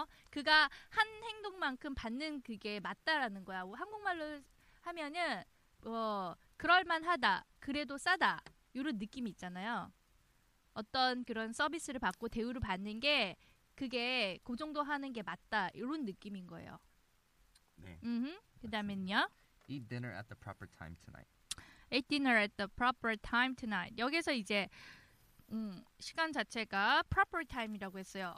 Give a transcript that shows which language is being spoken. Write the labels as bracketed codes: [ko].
[ko] 그가 한 행동만큼 받는 그게 맞다라는 거야. 한국말로 하면은 뭐 그럴만하다, 그래도 싸다 이런 느낌이 있잖아요. 어떤 그런 서비스를 받고 대우를 받는 게 그게 그 정도 하는 게 맞다 이런 느낌인 거예요. 네. 음흠. 그다음은요. [en] Eat dinner at the proper time tonight. Eat dinner at the proper time tonight. [ko] 여기서 이제 시간 자체가 proper time이라고 했어요.